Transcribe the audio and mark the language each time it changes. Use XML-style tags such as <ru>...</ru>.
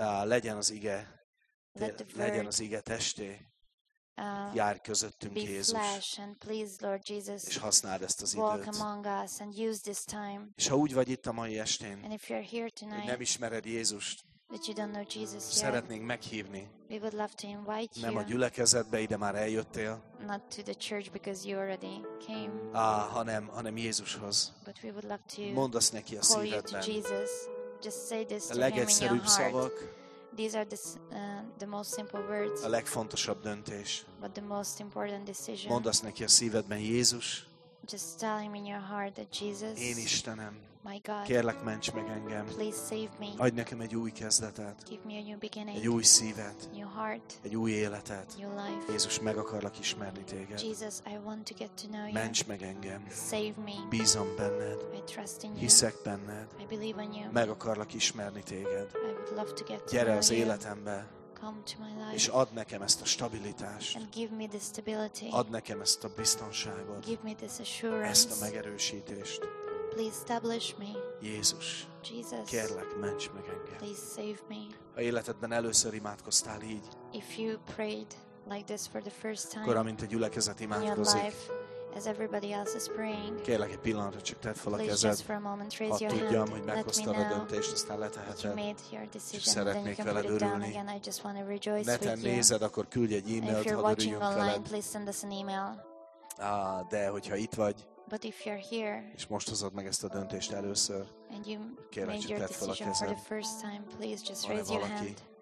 <hu>legyen az ige, legyen az ige testé, járj közöttünk,</hu> <en>be</en> <hu>Jézus,</hu> <en>flesh, and please, Lord Jesus,</en> <hu>és használd ezt az</hu> <en>walk</en> <hu>időt,</hu> <en>among us and use this time,</en> <hu>és ha úgy vagy itt a mai estén,</hu> <en>and if you're here tonight,</en> <hu>nem ismered Jézust,</hu> <en>that you don't know Jesus yet,</en> <hu>szeretnénk meghívni.</hu> <en>We would love to invite you.</en> <hu>Nem a gyülekezetbe, ide már eljöttél.</hu> <en>Not to the church because you already came.</en> <hu>Hanem Jézushoz.</hu> <en>But we would love to.</en> <hu>Mondd azt neki a szívedben.</hu> <en>Jesus. Just say this</en> <hu>a legegyszerűbb szavak.</hu> <en>These are the most simple words.</en> <hu>A legfontosabb döntés.</hu> <en>But the most important decision.</en> <hu>Mondd azt neki a szívedben, Jézus.</hu> <en>Just tell him in your heart that Jesus.</en> <hu>Én Istenem.</hu> <en>My God,</en> <hu>kérlek, ments meg engem.</hu> <en>Please save me.</en> <hu>Adj nekem egy új kezdetet.</hu> <en>Give me a new beginning.</en> <hu>Egy új szívet.</hu> <en>New heart.</en> <hu>Egy új életet.</hu> <en>New life.</en> <hu>Jézus, meg akarlak ismerni téged.</hu> <en>Jesus, I want to get to know you.</en> <hu>Ments meg engem.</hu> <en>Save me.</en> <hu>Bízom benned.</hu> <en>I trust in you.</en> <hu>Hiszek benned.</hu> <en>I believe in you.</en> <hu>Meg akarlak ismerni téged.</hu> <en>I would love to get to know</en> <hu>gyere az életembe.</hu> <en>Come to my life.</en> <hu>És add nekem ezt a stabilitást.</hu> <en>And give me the stability.</en> <hu>Add nekem ezt a biztonságot.</hu> <en>Give me this assurance.</en> <hu>Ezt a megerősítést.</hu> <en>Please establish me.</en> <hu>Jézus.</hu> <en>Jesus.</en> <hu>Kérlek, ments meg engem.</hu> <en>Please save me.</en> <hu>Ha életedben először imádkoztál így.</hu> <en>If you prayed like this for the first time.</en> <hu>Akkor, amint a gyülekezet imádkozik.</hu> <en>In your life, as everybody else is praying.</en> <hu>Kérlek, egy pillanatra csak tedd fel a kezed.</hu> <en>Please just for a moment raise your hand.</en> <hu>Tudjam, hogy meghoztad a döntést, aztán leteheted.</hu> <en>You made your decision.</en> <hu>Szeretnék veled örülni.</hu> <en>Again, I just want to rejoice with you.</en> <hu>Ne nézed, akkor küldj egy e-mailt, ha örüljünk veled.</hu> <en>If you're watching online, please send us an email.</en> <hu>De hogyha itt vagy.</hu> <en>But if you're here,</en> <hu>és most hozod meg ezt a döntést először,</hu> <en>and you made your decision for the first time, please just raise your hand.</en>